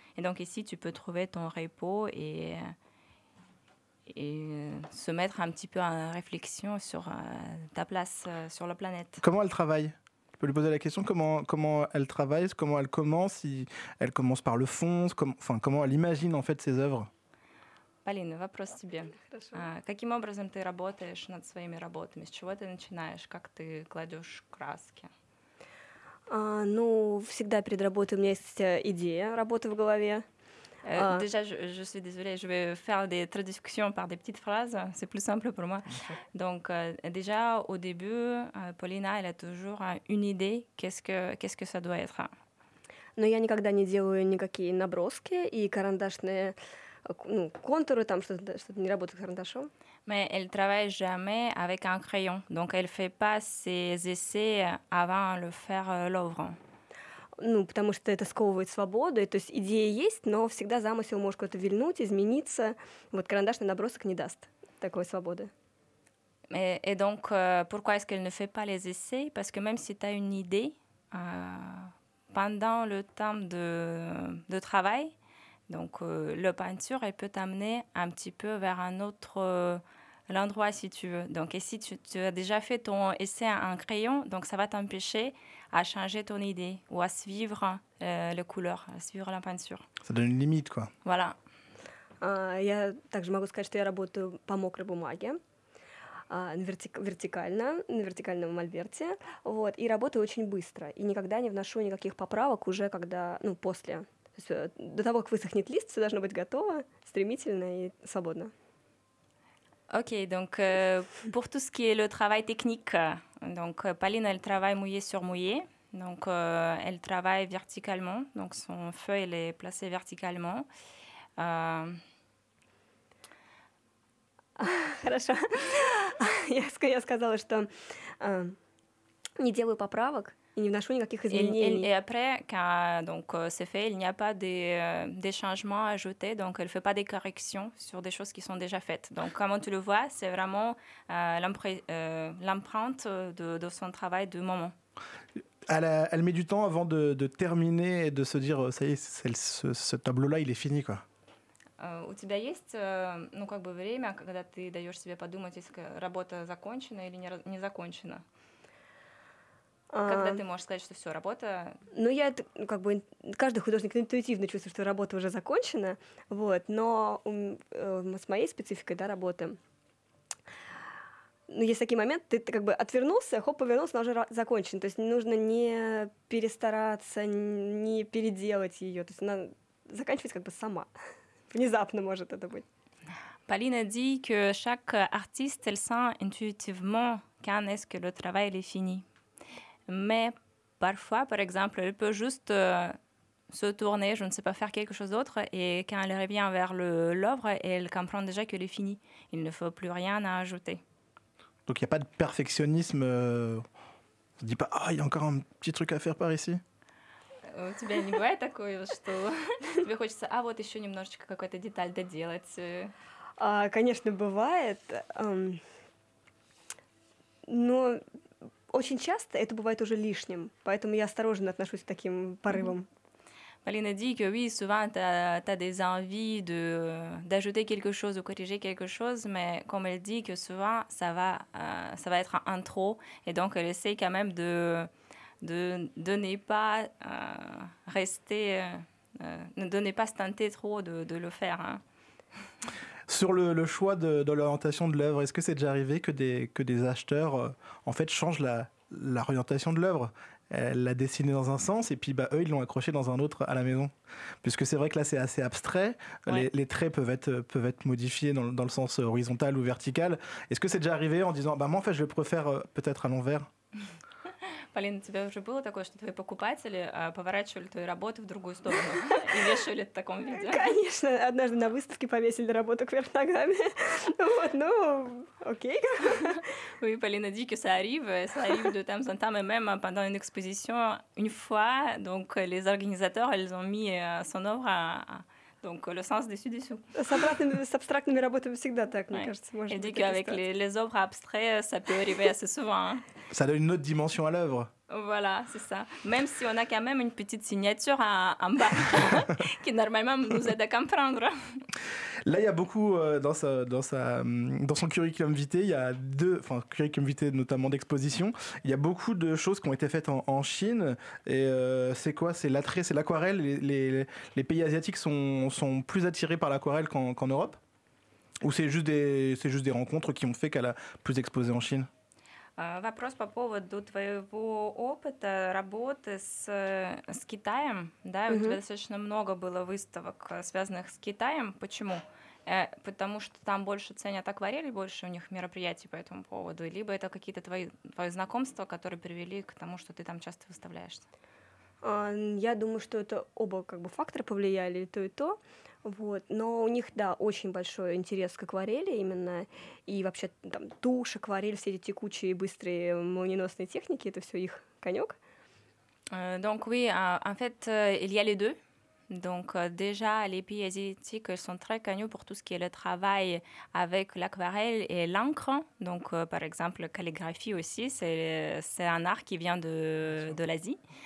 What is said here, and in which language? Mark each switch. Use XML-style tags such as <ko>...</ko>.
<fr>Et donc ici, tu peux trouver ton repos et se mettre un petit peu en réflexion sur ta place sur la planète. Comment elle travaille ? Tu peux lui poser la question, comment elle travaille ? Comment elle commence ? Si elle commence par le fond, comment elle imagine en fait ses œuvres ?</fr> <ru>Полина, вопрос тебе. Хорошо. Каким образом ты работаешь над своими работами? С чего ты начинаешь? Как ты кладешь краски? Ну, всегда перед работой у меня есть идея работы в голове.</ru> <fr>Déjà, je suis désolée, je vais faire des traductions par des petites phrases. C'est plus simple pour moi. Donc, déjà, au début, Полина, elle a toujours une idée. Qu'est-ce que ça doit être?</fr> <ru>Но я никогда не делаю никакие наброски и карандашные. Ну, контуры там что-то не работает карандашом.</ru> <fr>Mais elle travaille jamais avec un crayon. Donc elle fait pas ses essais avant de faire l'œuvre.</fr> <ru>Ну, потому что это сковывает свободу. То есть идея есть, но всегда замысел может куда-то вильнуть, измениться. Вот карандашный набросок не даст такой свободы.</ru> <fr>Et donc pourquoi est-ce qu'elle ne fait pas les essais? Parce que même si tu as une idée pendant le temps de travail, donc, la peinture, elle peut t'amener un petit peu vers un autre l'endroit, si tu veux. Donc, et si tu as déjà fait ton essai en crayon, donc ça va t'empêcher à changer ton idée ou à suivre la couleur, à suivre la peinture. Ça donne une limite, quoi. Voilà.</fr> <ru>Я также могу сказать, что я работаю по мокрой бумаге, вертикально, на вертикальном мольберте. Вот, и работаю очень быстро. И никогда не вношу никаких поправок уже, когда, ну, после... До того, как высохнет лист, все должно быть готово, стремительно и свободно.</ru> <fr>Окей, donc pour tout ce qui est le travail technique, donc Полина, elle travaille mouillé sur mouillé, donc elle travaille verticalement, donc son feu, elle est placé verticalement.</fr> <ru>Хорошо. Я сказала, что не делаю поправок.</ru> <fr>Et après, quand donc, c'est fait, il n'y a pas des changements à ajouter, donc elle ne fait pas des corrections sur des choses qui sont déjà faites. Donc, comme tu le vois, c'est vraiment l'empreinte de son travail de moment. Elle met du temps avant de terminer et de se dire, ça y est, ce tableau-là, il est fini, quoi.</fr> <ru>У тебя есть время, когда ты даешь себе подумать, если работа закончена или не закончена? Когда ты можешь сказать, что все, работа... Ну, я как бы... Каждый художник интуитивно чувствует, что работа уже закончена, вот, но с моей спецификой, да, работы... Ну, есть такие моменты, ты как бы отвернулся, хоп, повернулся, но уже закончен. То есть нужно не перестараться, не переделать ее. То есть она заканчивается как бы сама. Внезапно может это быть.</ru> <fr>Полина dit que chaque artiste, elle sent intuitivement quand est-ce que le travail est fini. Mais parfois, par exemple, elle peut juste se tourner, je ne sais pas, faire quelque chose d'autre. Et quand elle revient vers l'œuvre, elle comprend déjà qu'elle est finie. Il ne faut plus rien à ajouter. Donc il n'y a pas de perfectionnisme. On ne se dit pas, il y a encore un petit truc à faire par ici.</fr> <ru>У тебя не бывает такое, что тебе хочется, вот еще немножечко какой-то деталь доделать. Конечно, бывает. Но... Очень часто это бывает уже лишним, поэтому я осторожно отношусь к таким порывам.</ru> <fr>Полина dit que oui, souvent t'as des envies d'ajouter quelque chose ou corriger quelque chose, mais comme elle dit que souvent ça va être un trop, et donc elle essaie quand même de ne pas se tenter trop de le faire. Hein. Sur le choix de l'orientation de l'œuvre, est-ce que c'est déjà arrivé que des acheteurs en fait changent l'orientation de l'œuvre? Elle l'a dessinée dans un sens et puis bah, eux, ils l'ont accrochée dans un autre à la maison. Puisque c'est vrai que là, c'est assez abstrait. Ouais. Les traits peuvent être modifiés dans le sens horizontal ou vertical. Est-ce que c'est déjà arrivé en disant bah, moi, en fait, je le préfère peut-être à l'envers?</fr> <ru>Полин, у тебя уже было такое, что твои покупатели поворачивали твои работы в другую сторону и вешали в таком виде? Конечно, однажды на выставке повесили работу кверх ногами. Вот, ну, окей.</ru> <fr>Oui, Полина dit que ça arrive de temps en temps, mais même pendant une exposition, une fois, donc les organisateurs, ils ont mis son œuvre donc le sens dessus-dessous.</fr> <ru>С абстрактными работами всегда так, мне кажется, можно.</ru> <fr>Et dit qu'avec les œuvres abstraites, ça peut arriver assez souvent. Ça donne une autre dimension à l'œuvre. Voilà, c'est ça. Même si on a quand même une petite signature en bas, qui normalement nous aide à comprendre. Là, il y a beaucoup dans son curriculum vitae, il y a curriculum vitae notamment d'exposition, il y a beaucoup de choses qui ont été faites en Chine. Et c'est quoi? C'est l'attrait, c'est l'aquarelle. Les pays asiatiques sont plus attirés par l'aquarelle qu'en Europe? Ou c'est juste des rencontres qui ont fait qu'elle a plus exposé en Chine?</fr> <ru>Вопрос по поводу твоего опыта работы с Китаем. Да, mm-hmm. У тебя достаточно много было выставок, связанных с Китаем. Почему? Потому что там больше ценят акварель, больше у них мероприятий по этому поводу. Либо это какие-то твои знакомства, которые привели к тому, что ты там часто выставляешься. Я думаю, что это оба как бы фактора повлияли, то и то. Вот. Но у них, да, очень большой интерес к акварели именно, и вообще там тушь, акварель, все эти текучие, быстрые, молниеносные техники, это все их конек.</ru> <fr>Donc oui, en fait, il y a les deux. Donc déjà, les pays asiatiques sont très connus pour tout ce qui est le travail avec l'aquarelle et l'encre. Donc par exemple, la calligraphie aussi, c'est un art qui vient de l'Asie.</fr>